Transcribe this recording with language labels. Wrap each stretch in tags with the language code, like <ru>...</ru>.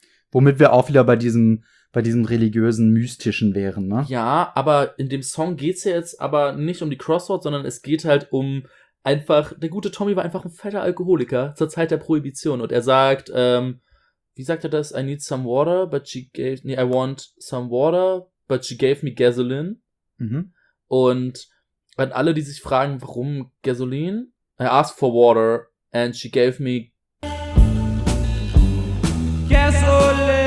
<de>womit wir auch wieder bei diesem religiösen, mystischen wären, ne? Ja, aber in dem Song geht's ja jetzt aber nicht um die Crossroad, sondern es geht halt um einfach, der gute Tommy war einfach ein fetter Alkoholiker zur Zeit der Prohibition. Und er sagt, wie sagt er das?</de> <en>I need some water, but she gave, nee, I want some water, but she gave me gasoline. Mhm.</en> <de>Und an alle, die sich fragen, warum Gasoline?</de> <en>I asked for water and she gave me gasoline.</en>